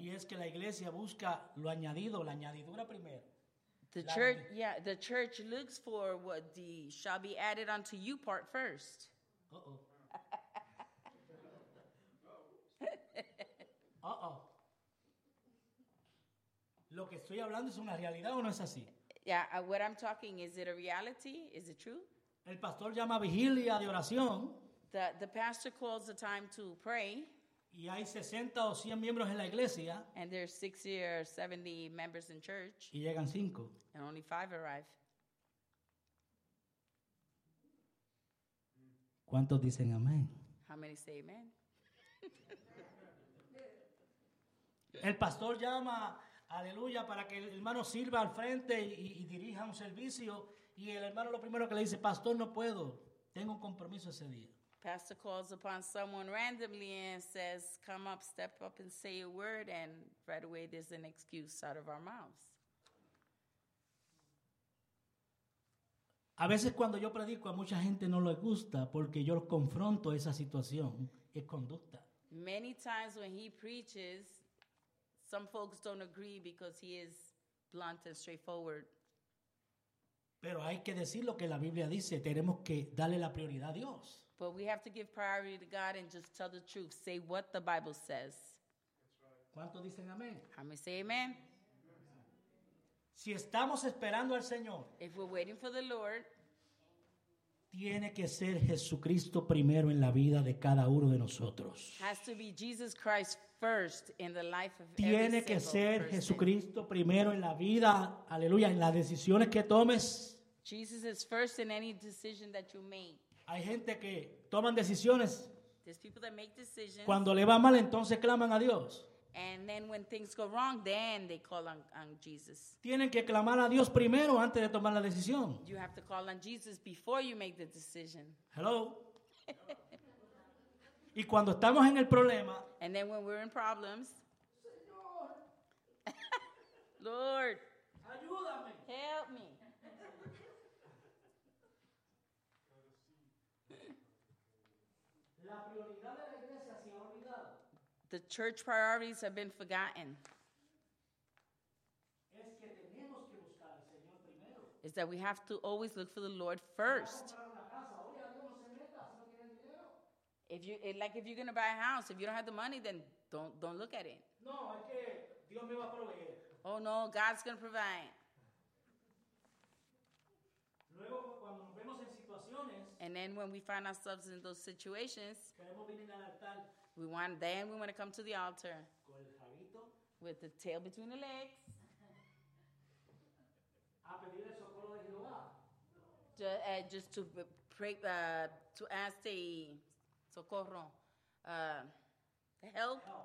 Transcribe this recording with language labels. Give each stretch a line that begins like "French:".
Spanish: Y es que la iglesia busca lo añadido, la añadidura primero.
English: The church, yeah, the church looks for what the shall be added unto you part first. Uh-oh. Uh-oh.
Spanish: Lo que estoy hablando es una realidad o no es así.
English: Yeah, what I'm talking, is it a reality? Is it true?
Spanish: El pastor llama vigilia de oración.
English: The pastor calls the time to pray.
Spanish: Y hay 60 o 100 miembros en la iglesia.
English: And there's 60 or 70 members in church.
Spanish: Y llegan 5.
English: And only 5 arrive.
Spanish: ¿Cuántos dicen amén?
English: How many say amen?
Spanish: El pastor llama, aleluya, para que el hermano sirva al frente y dirija un servicio. Y el hermano lo primero que le dice, pastor, no puedo. Tengo un compromiso ese día.
English: Pastor calls upon someone randomly and says, come up, step up and say a word, and right away there's an excuse out of our mouths.
Spanish: A veces cuando yo predico, a mucha gente no le gusta porque yo confronto esa situación y conducta.
English: Many times when he preaches, some folks don't agree because he is blunt and straightforward.
Spanish: Pero hay que decir lo que la Biblia dice, tenemos que darle la prioridad a Dios.
English: But we have to give priority to God and just tell the truth. Say what the Bible says.
Spanish: ¿Cuántos dicen amén?
English: How many say amen?
Spanish: Si estamos esperando al Señor,
English: if we're waiting for the Lord,
Spanish: tiene que ser Jesucristo primero en la vida de cada uno de nosotros.
English: Has to be Jesus Christ first in the life of
Spanish: tiene
English: every
Spanish: que
English: single
Spanish: ser
English: person.
Spanish: Jesucristo primero en la vida, aleluya, en las decisiones que tomes.
English: Jesus is first in any decision that you make.
Spanish: Hay gente que toman decisiones.
English: There's people that make decisions.
Spanish: Cuando le va mal, entonces claman a Dios.
English: And then when things go wrong, then they call on Jesus.
Spanish: Tienen que clamar a Dios primero antes de tomar la decisión.
English: You have to call on Jesus before you make the decision. Hello.
Spanish: Y cuando estamos en el problema.
English: And then when we're in problems. Lord.
Spanish: Ayúdame.
English: Help me.
Spanish: La prioridad de la iglesia se ha olvidado.
English: The church priorities have been forgotten.
Spanish: Es que tenemos que buscar al Señor primero.
English: Is that we have to always look for the Lord first. If you, like if you're going to buy a house, if you don't have the money, then don't look at it.
Spanish: No, es que Dios me va a proveer.
English: Oh no, God's going to provide.
Spanish: Luego, cuando nos vemos en situaciones,
English: and then when we find ourselves in those situations,
Spanish: queremos venir al altar,
English: we want to come to the altar
Spanish: con el jabito,
English: with the tail between the legs
Spanish: a pedir el socorro de Jehová.
English: Just to pray, to ask the socorro, the help.